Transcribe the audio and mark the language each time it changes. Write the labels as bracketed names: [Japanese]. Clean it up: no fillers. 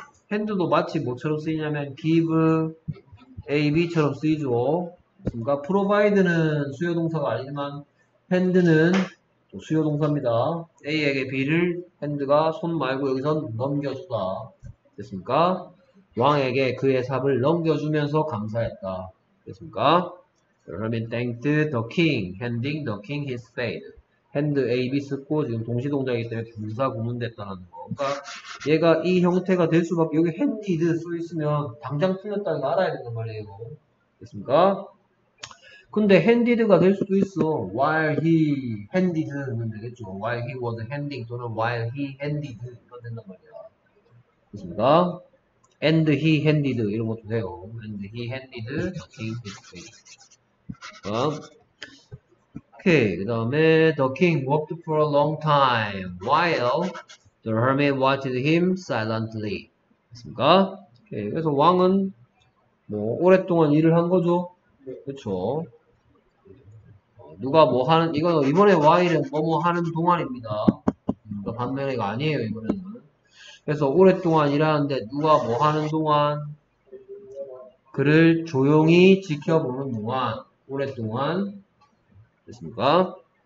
[Korean] 핸드도 마치 뭐처럼 쓰이냐면, give, AB처럼 쓰이죠. 그러니까, provide는 수요동사가 아니지만, 핸드는 또 수요동사입니다. A에게 B를 핸드가 손 말고 여기선 넘겨주다. 됐습니까? 왕에게 그의 삽을 넘겨주면서 감사했다. 됐습니까? [English] Hermit thanked the king, handing the king his spade. [Korean] 핸드 AB 쓰고 지금 동시동작이기 때문에 동사구문 됐다라는 거. 그러니까 얘가 이 형태가 될 수밖에, 여기 핸디드 써 있으면 당장 틀렸다는 거 알아야 되는 말이에요. 됐습니까? 근데 핸디드가 될 수도 있어. [English] While he handed는 되겠죠. While he was handing 또는 while he handed [Korean] 이거 된단 말이야. 됐습니까? [English] And he handed [Korean] 이런 것도 돼요. [English] And he handed the king his face. 오케이. [Korean] 그 다음에 [English] the king walked for a long time while the hermit watched him silently. [Korean] 됐습니까? 오케이. 그래서 왕은 뭐 오랫동안 일을 한 거죠. 그쵸? 누가 뭐 하는, 이거 이번에 while은 뭐뭐 하는 동안입니다. 반면이가 아니에요, 이번에는. 그래서 오랫동안 일하는데 누가 뭐 하는 동안 그를 조용히 지켜보는 동안 오랫동안 됐습니까?